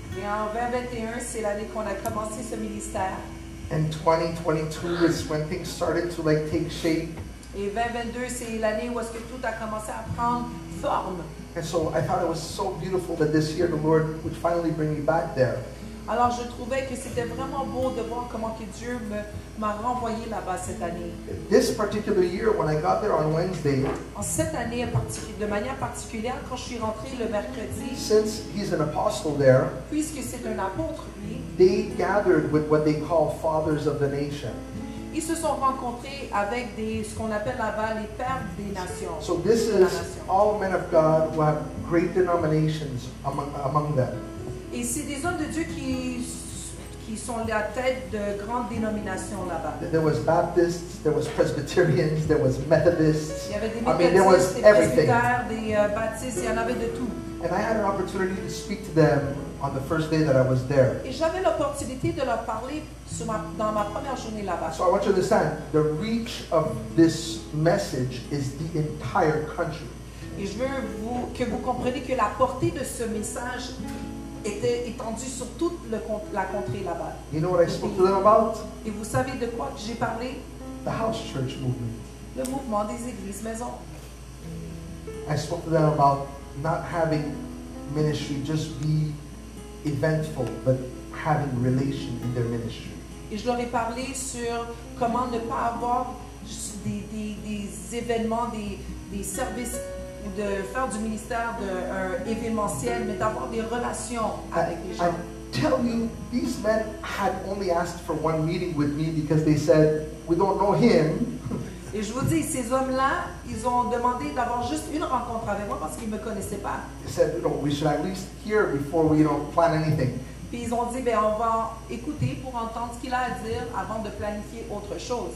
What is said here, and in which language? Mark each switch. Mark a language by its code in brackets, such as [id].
[fr] Et en 2021 c'est l'année qu'on a commencé ce ministère. [en] And 2022 is when things started to like take shape. [fr] Et 2022, c'est l'année où est-ce que tout a commencé à prendre forme. [en] And so I thought it was so beautiful that this year the Lord would finally bring me back there. [fr] Alors je trouvais que c'était vraiment beau de voir comment que Dieu m'a renvoyé là-bas cette année. [en] This particular year, when I got there on Wednesday. [fr] En cette année, de manière particulière, quand je suis rentré le mercredi. [en] Since he's an apostle there. [fr] Puisque c'est un apôtre, lui. [en] They gathered with what they call fathers of the nation. [fr] Ils se sont rencontrés avec ce qu'on appelle là-bas les pères des nations. [en] So this is all men of God who have great denominations among them. [fr] Et c'est des hommes de Dieu qui sont la tête de grandes dénominations là-bas. [en] There was Baptists, there was Presbyterians, there was Methodists. [fr] Il y avait des Baptistes, [en] there was everything. [fr] Des Baptistes, il y en avait de tout. [en] And I had an opportunity to speak to them on the first day that I was there. [fr] Et j'avais l'opportunité de leur parler dans ma première journée là-bas. [en] So I want you to understand, the reach of this message is the entire country. [fr] Et je veux que vous compreniez que la portée de ce message était étendue sur toute la contrée là-bas. [en] You know what I spoke to them about? [fr] Et vous savez de quoi que j'ai parlé? [en] The house church movement. [fr] Le mouvement des églises maison. [en] I spoke to them about not having ministry just be eventful, but having relation in their ministry. [fr] Et je leur ai parlé sur comment ne pas avoir des événements, des services, ou de faire du ministère d'un événementiel, mais d'avoir des relations avec les gens. [en] I tell you, these men had only asked for one meeting with me because they said, we don't know him. [fr] Et je vous dis, ces hommes-là, ils ont demandé d'avoir juste une rencontre avec moi parce qu'ils ne me connaissaient pas. [en] They said, you know, we should at least hear before we don't plan anything. [fr] Puis ils ont dit, ben on va écouter pour entendre ce qu'il a à dire avant de planifier autre chose.